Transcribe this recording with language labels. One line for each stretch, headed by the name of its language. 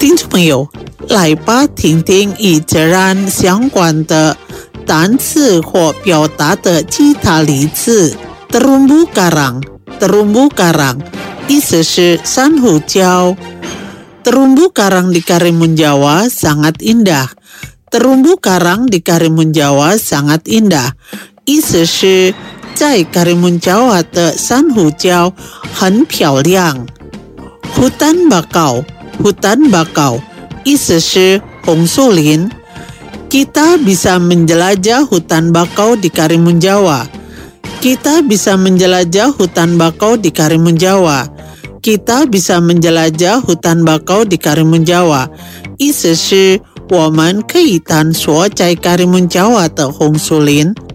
Chinese: 朋友，来吧，听听与自然相关的单词或表达的其他例子。
Indonesian: Terumbu karang， terumbu karang，
Chinese: 意思是珊瑚礁。
Indonesian: Terumbu karang di Karimun Jawa sangat indah。 Terumbu karang di Karimun Jawa sangat indah，
Chinese: 意思是在 Karimun Jawa 的珊瑚礁很漂亮。
Indonesian: Hutan bakau， hutan bakau。
Chinese: 意思是红树林。
Indonesian: Kita bisa menjelajah hutan bakau di Karimun Jawa. Kita bisa menjelajah hutan bakau di Karimun Jawa. Kita bisa menjelajah hutan bakau di Karimun Jawa.
Chinese: 意思是我们可以探索在 Karimun Jawa 的红树林。